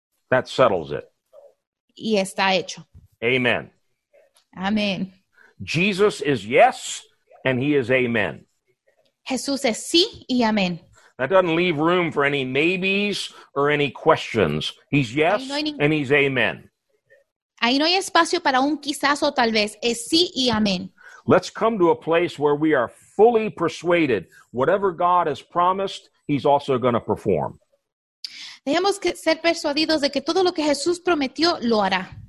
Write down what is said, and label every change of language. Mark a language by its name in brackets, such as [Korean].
[English] That settles it. [Spanish] Y está hecho. [English] Amen. [Spanish] Amen. [English] Jesus is yes, and he is amen. [Spanish] Jesús es sí y amén. [English] That doesn't leave room for any maybes or any questions. He's yes, and he's amen. [Spanish] Ahí no hay espacio para un quizás o tal vez. Es sí y amén. [English] Let's come to a place where we are fully persuaded. Whatever God has promised, he's also going to perform. [Spanish] Dejemos que ser persuadidos de que todo lo que Jesús prometió, lo hará.